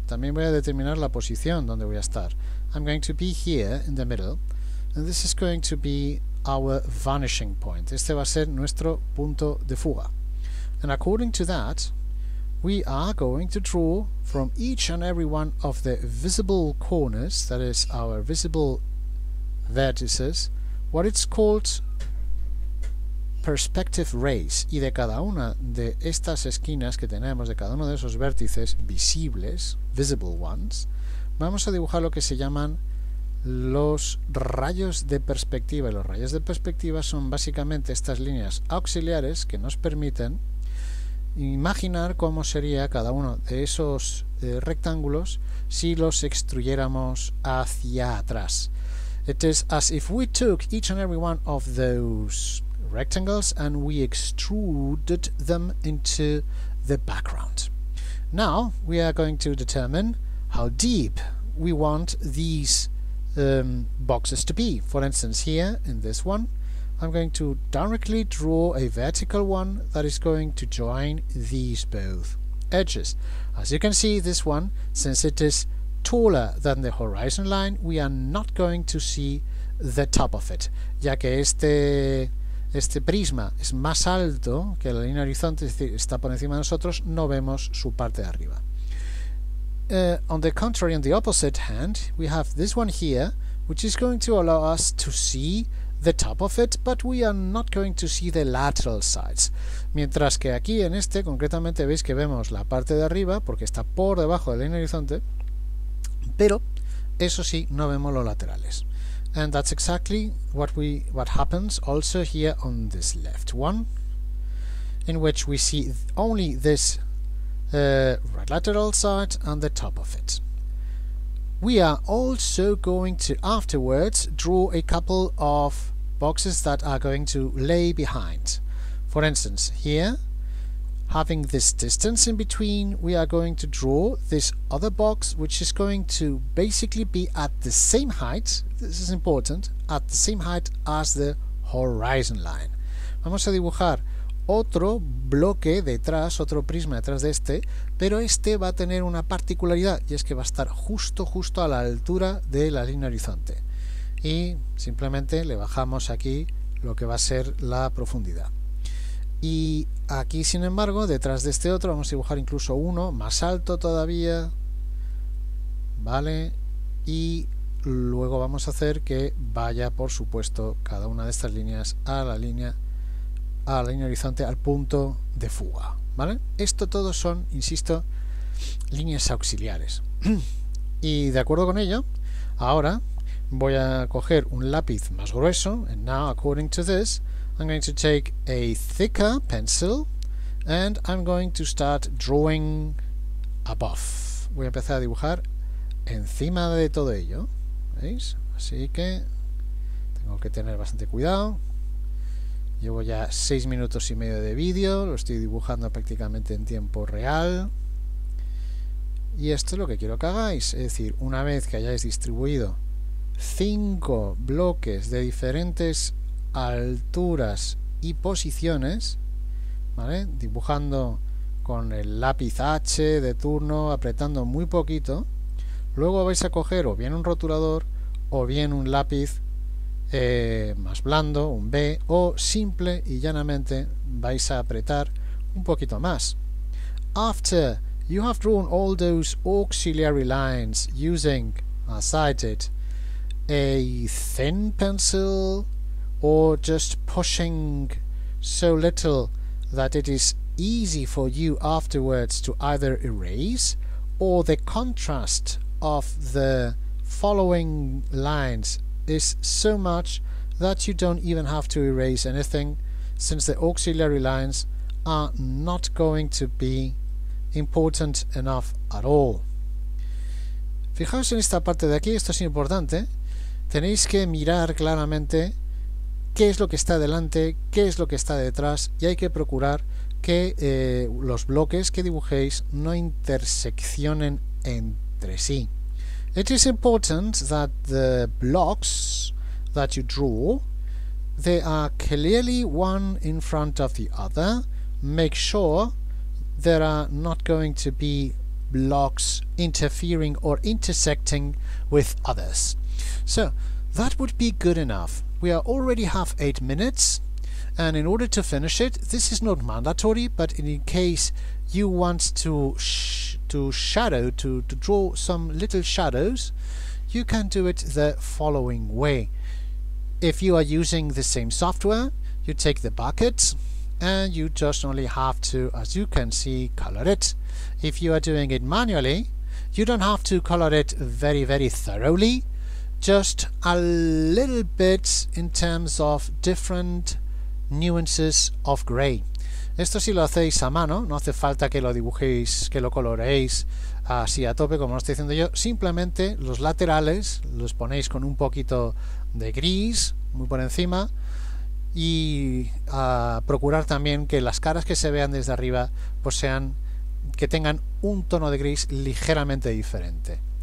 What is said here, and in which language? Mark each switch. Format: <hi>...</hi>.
<es>También voy a determinar la posición donde voy a estar.</es> <en>I'm going to be here in the middle, and this is going to be our vanishing point.</en> <es>Este va a ser nuestro punto de fuga.</es> <en>And according to that, we are going to draw from each and every one of the visible corners, that is our visible vertices, what it's called perspective rays.</en> <es>Y de cada una de estas esquinas que tenemos, de cada uno de esos vértices visibles,</es> <en>visible ones,</en> <es>vamos a dibujar lo que se llaman los rayos de perspectiva. Y los rayos de perspectiva son básicamente estas líneas auxiliares que nos permiten imaginar cómo sería cada uno de esos rectángulos si los extruyéramos hacia atrás.</es> <en>It is as if we took each and every one of those rectangles and we extruded them into the background. Now we are going to determine how deep we want these boxes to be. For instance, here in this one I'm going to directly draw a vertical one that is going to join these both edges. As you can see, this one, since it is taller than the horizon line, we are not going to see the top of it,</en> <es>ya que este prisma es más alto que la línea horizontal, es decir, está por encima de nosotros, no vemos su parte de arriba.</es> <en>On the contrary, on the opposite hand, we have this one here, which is going to allow us to see the top of it, but we are not going to see the lateral sides.</en> <es>Mientras que aquí, en este, concretamente veis que vemos la parte de arriba, porque está por debajo del línea horizonte, pero, eso sí, no vemos los laterales.</es> <en>And that's exactly what happens also here on this left one. in which we see only this right lateral side and the top of it. We are also going to afterwards draw a couple of boxes that are going to lay behind. For instance, here, having this distance in between, we are going to draw this other box, which is going to basically be at the same height, this is important, at the same height as the horizon line.</en> <es>Vamos a dibujar otro bloque detrás, otro prisma detrás de este, pero este va a tener una particularidad, y es que va a estar justo a la altura de la línea horizonte. Y simplemente le bajamos aquí lo que va a ser la profundidad. Y aquí, sin embargo, detrás de este otro, vamos a dibujar incluso uno más alto todavía, ¿vale? Y luego vamos a hacer que vaya, por supuesto, cada una de estas líneas a la línea horizonte, al punto de fuga, ¿vale? Esto todo son, insisto, líneas auxiliares. Y de acuerdo con ello, ahora voy a coger un lápiz más grueso.</es> <en>And now, according to this, I'm going to take a thicker pencil and I'm going to start drawing above.</en> <es>Voy a empezar a dibujar encima de todo ello. ¿Veis? Así que tengo que tener bastante cuidado. Llevo ya 6 minutos y medio de vídeo, lo estoy dibujando prácticamente en tiempo real. Y esto es lo que quiero que hagáis, es decir, una vez que hayáis distribuido 5 bloques de diferentes alturas y posiciones, ¿vale? Dibujando con el lápiz H de turno, apretando muy poquito, luego vais a coger o bien un rotulador o bien un lápiz más blando, un B, o simple y llanamente vais a apretar un poquito más.</es> <en>After you have drawn all those auxiliary lines using, as cited, a thin pencil, or just pushing so little that it is easy for you afterwards to either erase, or the contrast of the following lines is so much that you don't even have to erase anything, since the auxiliary lines are not going to be important enough at all.</en> <es>Fijaos en esta parte de aquí, esto es importante. Tenéis que mirar claramente qué es lo que está delante, qué es lo que está detrás, y hay que procurar que los bloques que dibujéis no interseccionen entre sí.</es> <en>It is important that the blocks that you draw, they are clearly one in front of the other. Make sure there are not going to be blocks interfering or intersecting with others. So, that would be good enough. We are already have 8 minutes, and in order to finish it, this is not mandatory, but in case you want to draw some little shadows, you can do it the following way. If you are using the same software, you take the bucket and you just only have to, as you can see, color it. If you are doing it manually, you don't have to color it very thoroughly, just a little bit in terms of different nuances of gray.</en> <es>Esto si lo hacéis a mano, no hace falta que lo dibujéis, que lo coloreéis así a tope como lo estoy haciendo yo. Simplemente los laterales los ponéis con un poquito de gris, muy por encima, y procurar también que las caras que se vean desde arriba pues sean, que tengan un tono de gris ligeramente diferente.</es>